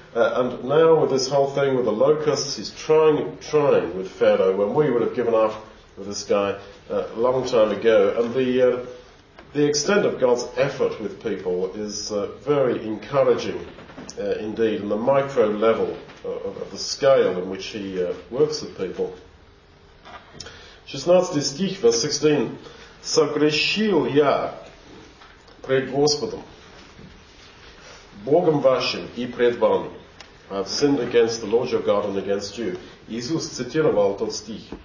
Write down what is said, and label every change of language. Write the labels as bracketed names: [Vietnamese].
[English] And now with this whole thing with the locusts, he's trying with Pharaoh, when we would have given up with this guy a long time ago. And the extent of God's effort with people is very encouraging indeed, in the micro level. Of the scale in which he works with people. [Russian] 16 стих, [English] verse 16. [Russian] Согрешил я пред Господом, Богом вашим и пред вами. [English] I've sinned against the Lord your God and against you. [Russian] Иисус цитировал тот стих.